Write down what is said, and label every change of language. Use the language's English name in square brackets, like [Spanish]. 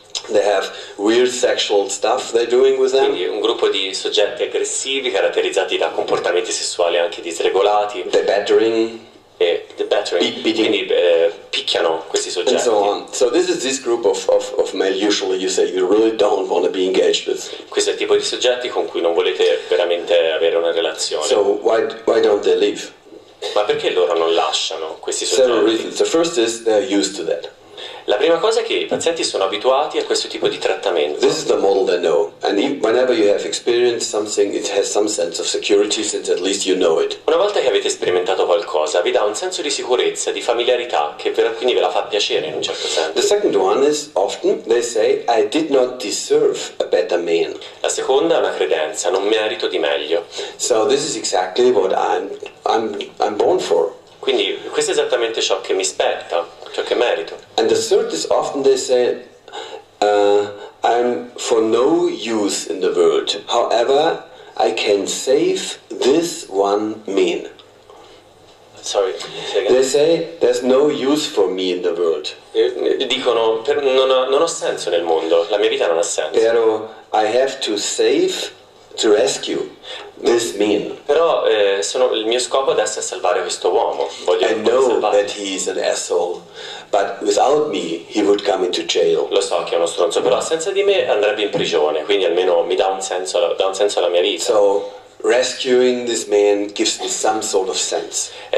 [English] They have weird sexual stuff they're doing with them. [Italian] Quindi un gruppo di soggetti aggressivi caratterizzati da comportamenti sessuali anche disregolati. [English] The battering. [Italian] Beating. Quindi picchiano questi soggetti. [English] And so on. So this is this group of male. Usually you say you really don't want to be engaged with. [Italian] Questo è il tipo di soggetti con cui non volete veramente avere una relazione. [English] So why don't they leave? [Italian] Ma perché loro non lasciano questi soggetti? [English] The first is they're used to that. [Italian] La prima cosa è che i pazienti sono abituati a questo tipo di trattamento. [English] This is the model they know. And whenever you have experienced something, it has some sense of security, since at least you know it. [Italian] Una volta che avete sperimentato qualcosa, vi dà un senso di sicurezza, di familiarità, che quindi ve la fa piacere in un certo senso. [English] The second one is often they say, I did not deserve a better man. [Italian] La seconda è una credenza, non merito di meglio. [English] So this is exactly what I'm born for. [Italian] Quindi questo è esattamente ciò che mi spetta, ciò che merito. [English] And the third is often they say, I'm for no use in the world. However, I can save this one man. Sorry. They say there's no use for me in the world. [Italian] Dicono non ho senso nel mondo, la mia vita non ha senso. [English] Però I have to save. To rescue this man. [Italian] Però sono il mio scopo adesso è salvare questo uomo. Voglio [English] I know that he is an asshole, but without me he would come into jail. [Italian] Lo so che è uno stronzo, però senza di me andrebbe in prigione. Quindi almeno mi dà un senso alla mia vita. [English] So rescuing this man gives me some sort of sense.